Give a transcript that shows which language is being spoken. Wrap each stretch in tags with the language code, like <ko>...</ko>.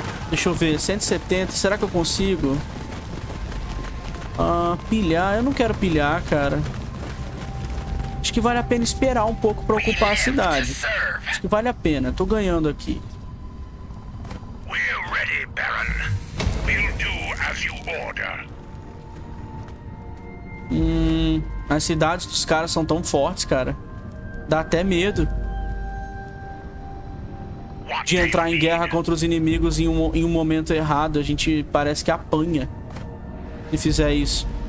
<pt>Deixa eu ver, 170, será que eu consigo? Pilhar, eu não quero pilhar, cara. Acho que vale a pena esperar um pouco pra ocupar a cidade. Acho que vale a pena. Tô ganhando aqui.</pt> <en>We're ready, Baron. We'll do as you order.</en> <pt>As cidades dos caras são tão fortes, cara. Dá até medo de entrar em guerra contra os inimigos em um momento errado. A gente parece que apanha se fizer isso.</pt>